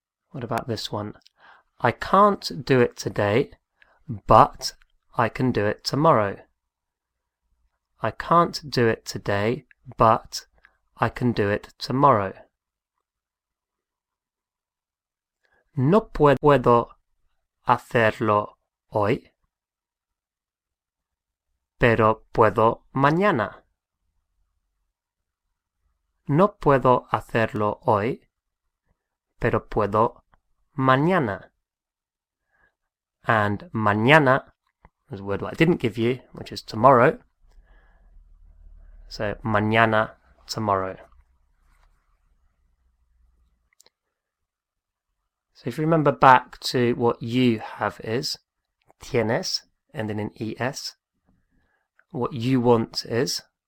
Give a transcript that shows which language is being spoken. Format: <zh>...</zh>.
<en>What about this one? I can't do it today, but I can do it tomorrow. I can't do it today, but I can do it tomorrow.</en> <es>No puedo hacerlo hoy, pero puedo mañana. No puedo hacerlo hoy, pero puedo mañana.</es> <en>And mañana is a word I didn't give you, which is tomorrow. So, mañana. Tomorrow. So if you remember back to what you have is tienes, ending in es. What you want is</en>